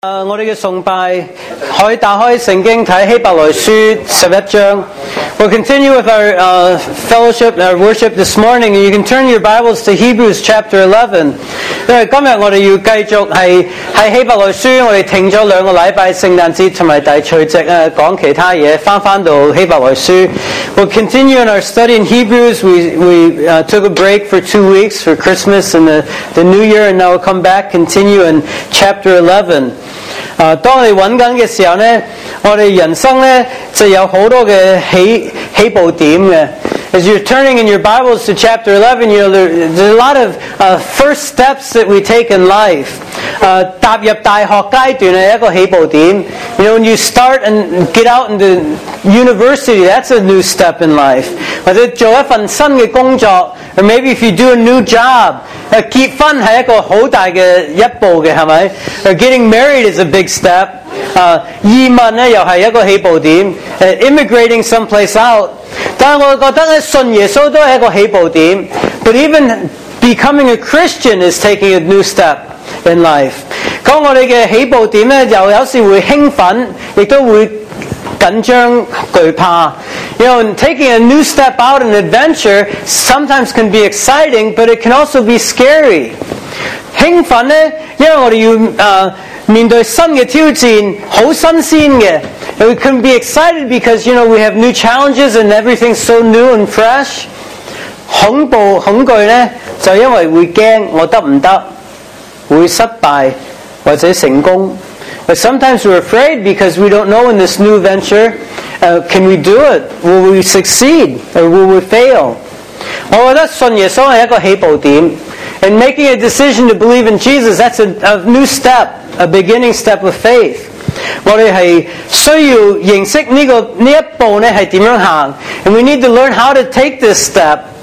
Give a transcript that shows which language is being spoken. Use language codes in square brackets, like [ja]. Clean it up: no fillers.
[yue] 我哋嘅崇拜可以打开圣经睇希伯来书十一章。 [en] We'll continue with our fellowship, our worship this morning. You can turn your Bibles to Hebrews chapter 11. [yue] 因为今日我哋要继续系希伯来书，我哋停咗两个礼拜，圣诞节同埋大除夕讲其他嘢，翻到希伯来书。 [en] We'll continue in our study in Hebrews. We took a break for 2 weeks for Christmas and the New Year, and now we'll come back, continue in chapter 11. [yue] 当我们找紧的时候呢，我们人生呢就有很多的起步点的。 [en] As you're turning in your Bibles to chapter 11, you know, there's a lot of first steps that we take in life. [yue] 踏入大学阶段是一个起步点。 [en] You know, when you start and get out into university, that's a new step in life. [yue] 或者做一份新的工作， [en] or maybe if you do a new job, [yue] 結婚是一個很大的一步的，是不是？ [en] Getting married is a big step. [yue] 移民呢又是一個起步點。 [en] Immigrating someplace out. [yue] 但我覺得呢，信耶穌都是一個起步點。 [en] But even becoming a Christian is taking a new step in life. [yue] 當我們的起步點呢，又有時會興奮，亦都會緊張懼怕。 [en] You know, and taking a new step out, an adventure, sometimes can be exciting, but it can also be scary. [yue] 興奮呢，因為我們要面對新的挑戰，很新鮮的。 [en] And we can be excited because, you know, we have new challenges and everything's so new and fresh. [yue] 恐怖、恐懼呢，就因為會怕我得不得，會失敗或者成功。 [en] But sometimes we're afraid because we don't know in this new venture, can we do it? Will we succeed? Or will we fail? [yue] 我覺得信耶穌是一個起步點。 [en] And making a decision to believe in Jesus, that's a new step, a beginning step of faith. [yue] 我們是需要認識這個這一步呢是怎樣行。 [en] And we need to learn how to take this step.